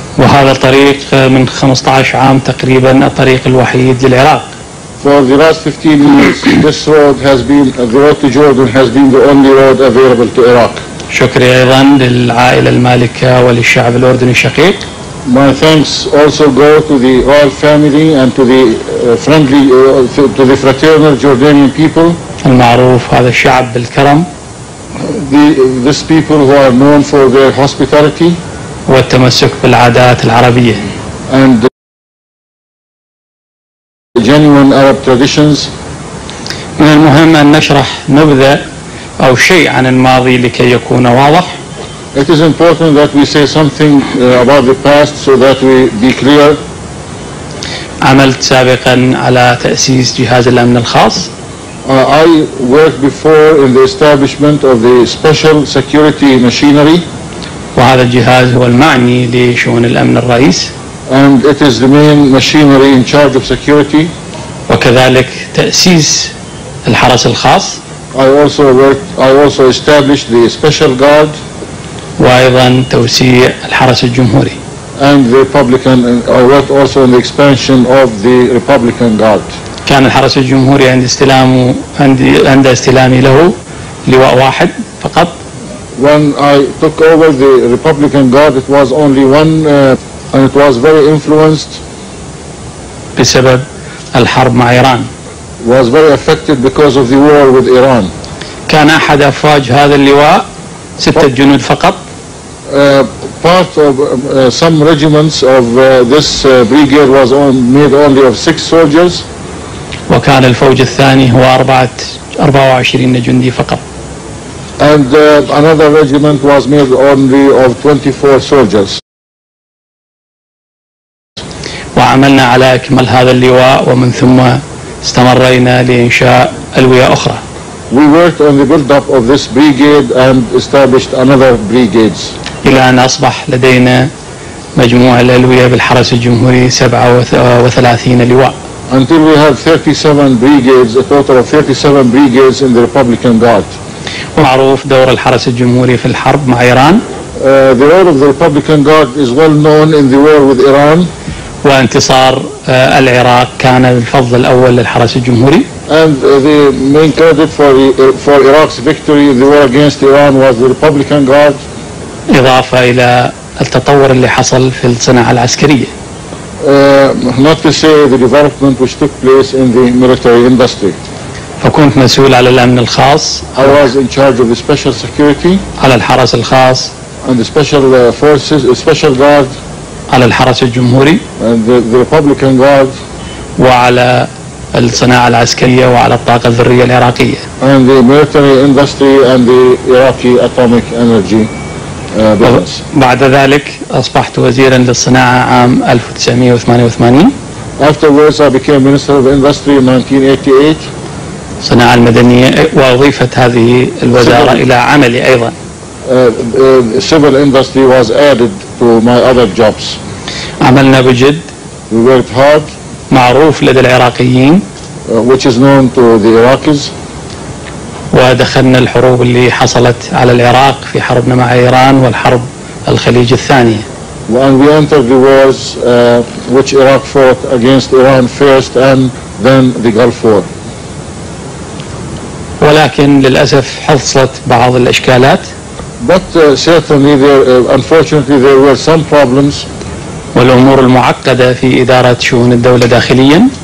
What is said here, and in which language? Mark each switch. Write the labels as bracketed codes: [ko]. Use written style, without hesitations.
[ar] وهذا الطريق من 15 عام تقريبا الطريق الوحيد للعراق. [en] For the last 15 years, this road has been the road to Jordan has been the only road available to Iraq. [ar] شكري أيضا للعائلة المالكة وللشعب الأردني الشقيق. [en] My thanks also go to the royal family and to the friendly to the fraternal Jordanian people. [ar] المعروف هذا الشعب بالكرم. [en] These people who are known for their hospitality. [ar] والتمسك بالعادات العربية. [en] And genuine Arab traditions. [ar] من المهم أن نشرح نبذة أو شيء عن الماضي لكي يكون واضح. [en] It is important that we say something about the past so that we be clear. [ar] عملت سابقا على تأسيس جهاز الأمن الخاص. [en] I worked before in the establishment of the special security machinery. [ar] وهذا الجهاز هو المعني لشؤون الأمن الرئيس. [en] And it is the main machinery in charge of security. [ar] وكذلك تأسيس الحرس الخاص. [en] I also established the special guard. [ar] وأيضا توسيع الحرس الجمهوري. [en] And the Republican, I worked also on the expansion of the Republican Guard. [ar] كان الحرس الجمهوري عند استلامه عند استلامي له لواء واحد فقط. [en] When I took over the Republican Guard, it was only one, and it was very influenced. [ar] بسبب الحرب مع إيران. [en] Was very affected because of the war with Iran. [ar] كان أحد أفواج هذا اللواء ستة جنود فقط. [en] Part of some regiments of this brigade was made only of six soldiers. [ar] وكان الفوج الثاني هو 24 جندي فقط. [en] And another regiment was made only of 24 soldiers. [ar] وعملنا على إكمال هذا اللواء ومن ثم استمرينا لإنشاء ألوية أخرى. [en] We worked on the build-up of this brigade and established another brigades. [ar] إلى أن أصبح لدينا مجموع الألوية بالحرس الجمهوري 37 لواء. [en] Until we have 37 brigades, a total of 37 brigades in the Republican Guard. [ar] ومعروف دور الحرس الجمهوري في الحرب مع إيران. [en] The role of the Republican Guard is well known in the war with Iran. [ar] وانتصار العراق كان الفضل الأول للحرس الجمهوري. [en] And the main credit for Iraq's victory in the war against Iran was the Republican Guard. [ar] إضافة إلى التطور اللي حصل في الصناعة العسكرية. [en] Not to say the development which took place in the military industry. [ar] فكنت مسؤول على الأمن الخاص. [en] I was in charge of the special security. [ar] على الحرس الخاص. [en] And the special forces, special guard. [ar] على الحرس الجمهوري. [en] And the Republican Guard. [ar] وعلى الصناعة العسكرية وعلى الطاقة الذرية العراقية. [en] And the military industry and the Iraqi atomic energy. [ar] بعد ذلك أصبحت وزيرا للصناعة عام 1988. [en] Afterwards I became Minister of Industry in 1988. [ar] صناعة المدنية وأضيفت هذه الوزارة إلى عملي أيضا. [en] Civil industry was added to my other jobs. [ar] عملنا بجد. [en] We worked hard. [ar] معروف لدى العراقيين. [en] Which is known to the Iraqis. [ar] ودخلنا الحروب اللي حصلت على العراق في حربنا مع إيران والحرب الخليج الثانية. [en] When we entered the wars which Iraq fought against Iran first and then the Gulf War. [ar] ولكن للأسف حصلت بعض الإشكالات. [en] But certainly unfortunately there were some problems. [ar] والأمور المعقدة في إدارة شؤون الدولة داخلياً.